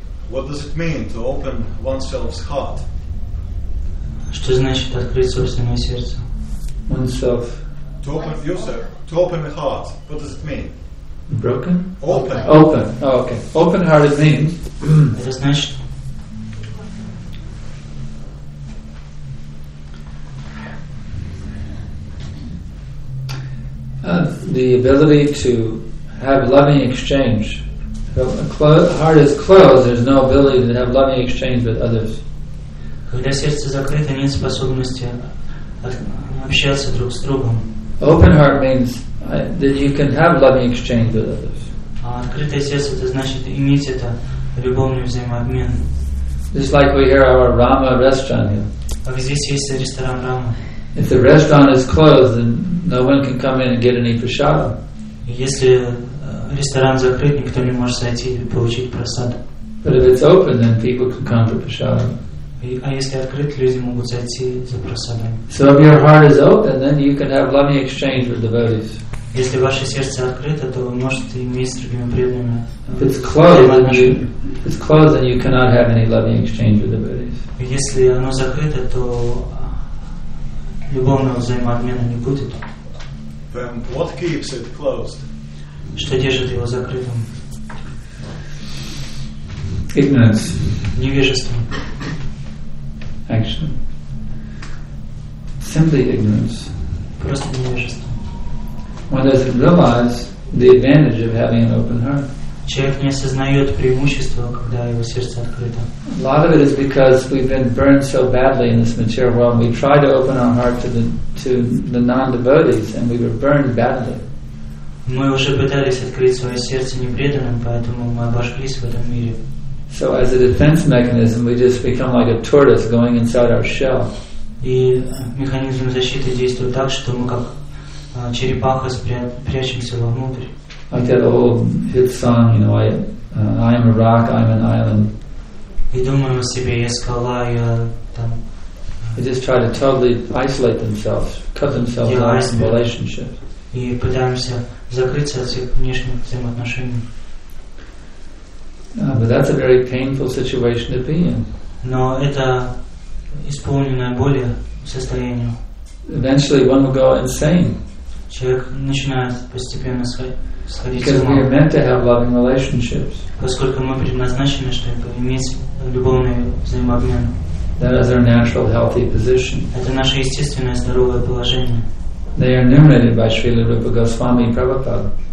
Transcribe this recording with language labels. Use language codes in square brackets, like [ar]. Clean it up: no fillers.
[en] What does it mean to open oneself's heart? [ru] Что значит открыть собственное сердце? [en] Oneself. To open yourself. To open the heart. What does it mean? Broken. Open. Open. Oh, okay. Open hearted means. [ru] Это значит. [en] The ability to have loving exchange. Heart is closed, there's no ability to have loving exchange with others. [ru] Когда сердце закрыто, нет способности общаться друг с другом. [en] Open heart means that you can have loving exchange with others. [ru] А открытое сердце, это значит иметь это любовный взаимообмен. [en] Just like we hear our Rama restaurant here. [ru] Aby здесь есть ресторан Рама. [en] If the restaurant is closed, then no one can come in and get any prasadam. [ru] Если ресторан закрыт, никто не может зайти и получить просад. [en] But if it's open, then people can come for prasadam. [ru] А если открыт, люди могут зайти за просадом. [en] So if your heart is open, then you can have loving exchange with devotees. [ru] Если ваше сердце открыто, то вы можете иметь с другими преданными. [en] If it's closed, then you cannot have any loving exchange with devotees. [ru] Если оно закрыто, то любовного взаимообмена не будет. [en] Then what keeps it closed? [ru] Что держит его закрытым? [en] Ignorance. [ru] Невежество. [en] Action. Simply ignorance. [ru] Просто невежество. [en] One doesn't realize the advantage of having an open heart. [ru] Человек не осознает преимущество, когда его сердце открыто. [en] A lot of it is because we've been burned so badly in this material world. We try to open our heart to the non-devotees, and we were burned badly. [ru] Мы уже пытались открыть свое сердце непреданным, поэтому мы обожглись в этом мире. [en] So as a defense mechanism, we just become like a tortoise going inside our shell. [ru] И механизм защиты действует так, что мы как черепаха прячемся вовнутрь. [en] Like that old hit song, you know, I am a rock, I am an island. [ru] И думаю себе, я скала, я там. [en] They just try to totally isolate themselves, cut themselves off from relationships. [ru] И пытаемся закрыться от всех внешних взаимоотношений. [en] But that's a very painful situation to be in. [ru] Но это исполненное боли состояние. [en] Eventually, one will go insane. [ru] Человек начинает постепенно сходить с ума. [en] Because we are meant to have loving relationships. [ru] Поскольку мы предназначены, чтобы иметь любовные взаимообмены. [en] That is our natural healthy position. [ru] Это наше естественное здоровое положение. [en] They are enumerated by Srila Rupa Goswami Prabhupada.